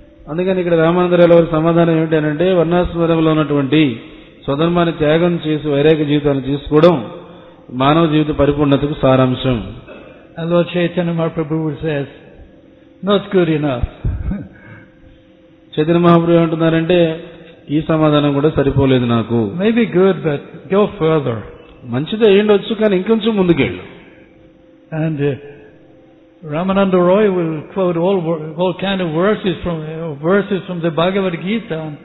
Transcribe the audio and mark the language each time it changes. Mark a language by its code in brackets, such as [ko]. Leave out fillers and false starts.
[te] అందుకని ఇక్కడ రామానందరావు గారి సమాధానం ఏమిటి అని అంటే, వర్ణాశ్రమంలో ఉన్నటువంటి స్వధర్మాన్ని త్యాగం చేసి వైరాగ్య జీవితాన్ని తీసుకోవడం మానవ జీవిత పరిపూర్ణతకు సారాంశం. [en] Lord Chaitanya Mahaprabhu says, not good enough. [te] Chaitanya Mahaprabhu ఏమంటున్నారంటే, ఈ సమాధానం కూడా సరిపోలేదు నాకు. [en] Maybe good but go further. [te] మంచిదే అయ్యండి వచ్చు కానీ ఇంకొంచెం ముందుకెళ్ళు. [en] and Ramananda Roy will quote all kind of verses from the Bhagavad Gita,